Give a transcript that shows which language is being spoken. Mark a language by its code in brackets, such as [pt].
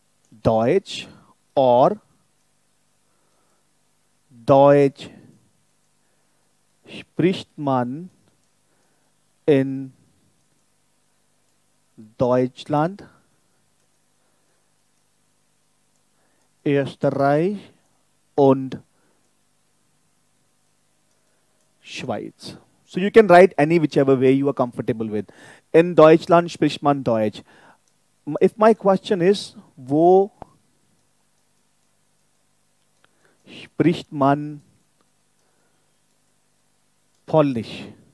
[de] Deutsch or Deutsch spricht man in Deutschland, Österreich und Schweiz. [en] So you can write any whichever way you are comfortable with. [de] In Deutschland spricht man Deutsch. [en] If my question is, [de] wo spricht man Polnisch?